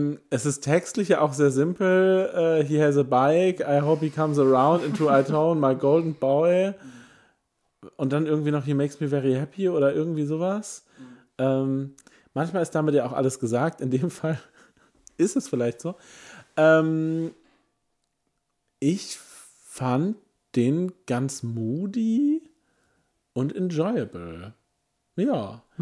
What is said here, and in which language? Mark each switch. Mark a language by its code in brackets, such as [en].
[de] Es ist textlich ja auch sehr simpel. [en] He has a bike. I hope he comes around into our town, my golden boy. [de] Und dann irgendwie noch, [en] he makes me very happy [de] oder irgendwie sowas. Manchmal ist damit ja auch alles gesagt. In dem Fall ist es vielleicht so. Ich fand den ganz moody und enjoyable. Ja.